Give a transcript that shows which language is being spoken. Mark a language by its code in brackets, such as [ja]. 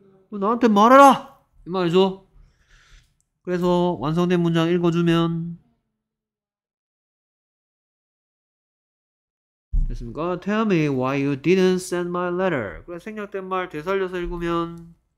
[ko] 나한테 말해라! 이 말이죠. 그래서 완성된 문장 읽어주면. 됐습니까? [en] Tell me why you didn't send my letter. [ko] 그래, 생략된 말 되살려서 읽으면.